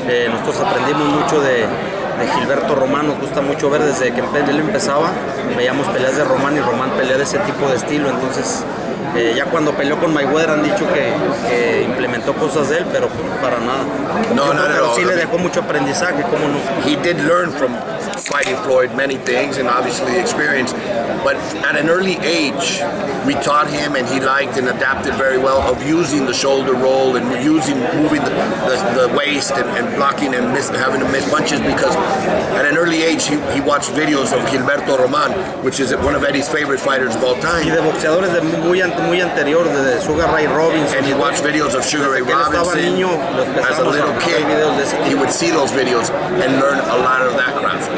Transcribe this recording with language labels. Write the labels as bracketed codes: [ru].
[es] Nosotros aprendimos mucho de Gilberto Román, nos gusta mucho ver desde que él empezaba, veíamos peleas de Román y Román pelea de ese tipo de estilo, entonces ya cuando peleó con Mayweather han dicho que implementó cosas de él, pero para nada. No, no, pero sí le dejó mucho aprendizaje, cómo no. [en] He did learn from fighting Floyd many things and obviously experience, but at an early age we taught him and he liked and adapted very well of using the shoulder roll and using moving the waist and blocking and having to miss punches, because at an early age he watched videos of Gilberto Román, which is one of Eddie's favorite fighters of all time. [es] Y de boxeadores de muy muy anterior, de Sugar Ray Robinson. [en] And he watched videos of Sugar Ray Robinson. [es] Desde que estaba niño, [en] as a little kid, he would see those videos and learn a lot of that craft.